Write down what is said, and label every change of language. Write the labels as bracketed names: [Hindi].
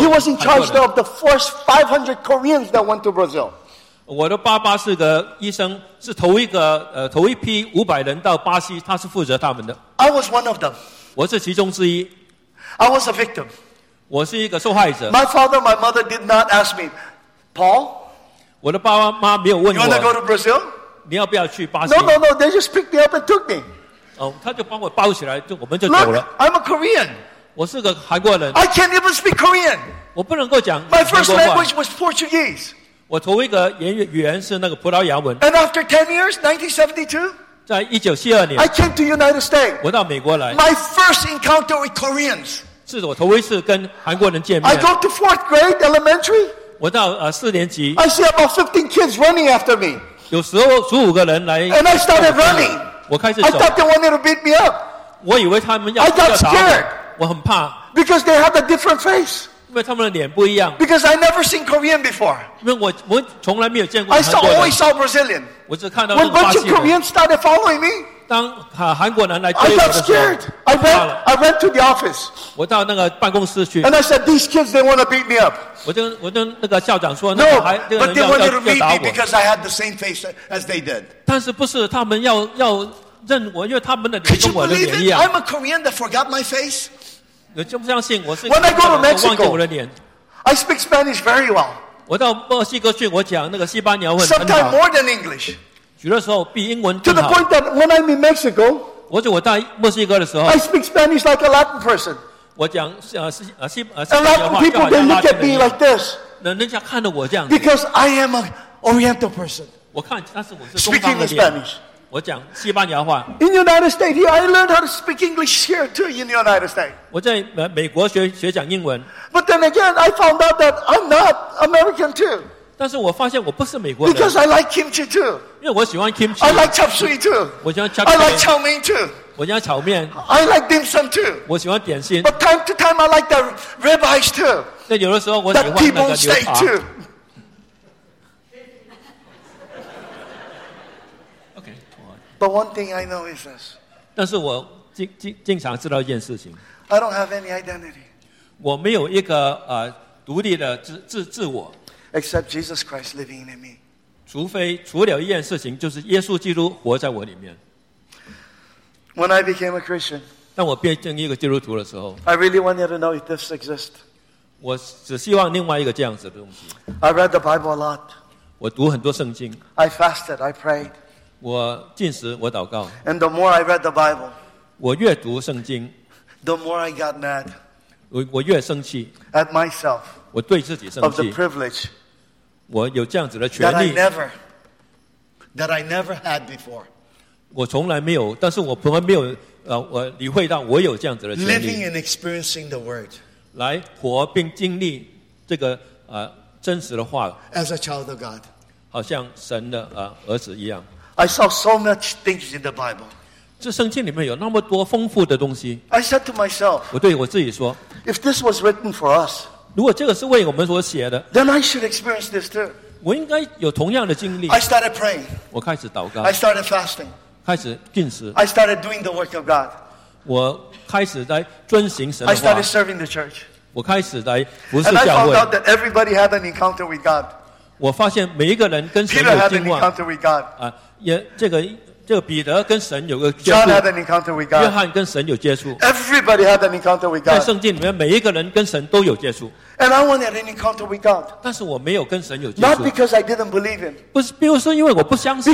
[English] He was in charge of the first 500 Koreans that went to Brazil. [Chinese] 我的爸爸是个医生，是头一个头一批500人到巴西，他是负责他们的。 [English] I was one of them. [Chinese] 我是其中之一。 [English] I was a victim. [Chinese] 我是一个受害者。 [English] My father, my mother did not ask me, Paul. [Chinese] 我的爸爸妈没有问我。 [English] You want to go to Brazil? [Chinese] 你要不要去巴西 [English] ？No, no, no. They just picked me up and took me. [Chinese] 他就帮我抱起来，我们就走了。 [English] Look, I'm a Korean. [Chinese] 我是个韩国人。 [English] I can't even speak Korean. [Chinese] 我不能够讲。 [English] My first language was Portuguese. [Chinese] 我头一个语言是那个葡萄牙文。 [English] And after 10 years, 1972, [Chinese] 在1972年 [English] I came to United States. [Chinese] 我到美国来。 [English] My first encounter with Koreans. [Chinese] 是我头一次跟韩国人见面。 [English] I go to fourth grade elementary. [Chinese] 我到四年级。 [English] I see about 15 kids running after me. [Chinese] 有15-16个人来。 [English] And I started running. [Chinese] 我开始走。 [English] I thought they wanted to beat me up. [Chinese] 我以为他们要打我。 [English] I got scared. [Chinese] 我很怕。 [English] Because they have a different face. [Chinese] 因为他们的脸不一样。 [English] Because I never seen Korean before. [Chinese] 因为我从来没有见过韩国人。 [English] I saw always saw Brazilian. [Chinese] 我只看到那个巴西人。 [English] When a bunch of Koreans started following me, [Chinese] 当韩国人来追我的时候 [English] I got scared. I went to the office. [Chinese] 我到那个办公室去。 [English] And I said, these kids, they want to beat me up. [Chinese] 我跟那个校长说，那个孩，这个人要打我。 [English] No, but they wanted to beat me because I had the same face as they did. [Chinese] 但是不是他们要认我，因为他们的脸跟我的脸一样。 [English] I'm a Korean that forgot my face. [Chinese] 你就不相信我是 [English] ？When I go to Mexico, [Chinese] 忘记我的脸。 [English] I speak Spanish very well. [Chinese] 我到墨西哥去，我讲那个西班牙文。 [English] Sometimes more than English. [Chinese] 有的时候比英文更 [English] 好。To the point that when I'm in Mexico, [Chinese] 或者我到墨西哥的时候 [English] ，I speak Spanish like a Latin person. [Chinese] 我讲 [English] And Latin people they look at me like this. [Chinese] 人家看着我这样。 [English] Because I am an Oriental person. [Chinese] 我看，但是我是东方的。 [English] Speaking Spanish. [Chinese] 我讲西班牙话。 [English] In the United States, here I learned how to speak English here too. In the United States, [Chinese] 我在美国学讲英文。 [English] But then again, I found out that I'm not American too. [Chinese] 但是我发现我不是美国人。 [English] Because I like kimchi too. [Chinese] 因为我喜欢 kimchi. [English] I like chop suey too. [Chinese] 我喜欢 chop suey. [English] I like chow mein too. [Chinese] 我喜欢炒面。 [English] I like dim sum too. [Chinese] 我喜欢点心。 [English] But time to time I like the ribeyes too. [Chinese] 那有的时候我喜欢那个牛扒。 [English] That people say too. But one thing I know is this. [Chinese] 但是我经常知道一件事情。 [English] I don't have any identity. [Chinese] 我没有一个独立的自我。 [English] Except Jesus Christ living in me. [Chinese] 除了一件事情，就是耶稣基督活在我里面。 [English] When I became a Christian, [Chinese] 当我变成一个基督徒的时候 [English] ，I really wanted to know if this exists. [Chinese] 我只希望另外一个这样子的东西。 [English] I read the Bible a lot. [Chinese] 我读很多圣经。 [English] I fasted. I prayed. [Chinese] 我禁食，我祷告。 [English] And the more I read the Bible, [Chinese] 我越读圣经。 [English] The more I got mad, [Chinese] 我越生气。 [English] At myself, [Chinese] 我对自己生气。 [English] Of the privilege, [Chinese] 我有这样子的权利。 [English] That I never had before, [Chinese] 我从来没有，但是我从来没有我理会到我有这样子的权利。 [English] Living and experiencing the word, [Chinese] 来活并经历这个真实的话。 [English] As a child of God, [Chinese] 好像神的儿子一样。 [English] I saw so much things in the Bible. [Chinese] 这圣经里面有那么多丰富的东西。 [English] I said to myself, [Chinese] 我对我自己说， [English] If this was written for us, [Chinese] 如果这个是为我们所写的， [English] then I should experience this too. [Chinese] 我应该有同样的经历。 [English] I started praying. [Chinese] 我开始祷告。 [English] I started fasting. [Chinese] 开始禁食。 [English] I started doing the work of God. [Chinese] 我开始在遵行神的 [English] 话。I started serving the church. [Chinese] 我开始在服侍教会。 [English] And I found out that everybody had an encounter with God. [Chinese] 我发现每一个人跟神有经 [English] 历。Peter had an encounter with God. [Chinese] 也这个彼得跟神有个接 [English] 触，John had an encounter with God. [Chinese] 约翰跟神有接触。 [English] Everybody had an encounter with God. [Chinese] 在圣经里面，每一个人跟神都有接触。 [English] And I wanted an encounter with God. [Chinese] 但是我没有跟神有接触。 [English] Not because I didn't believe him. [Chinese] 不是，比如说因为我不相信。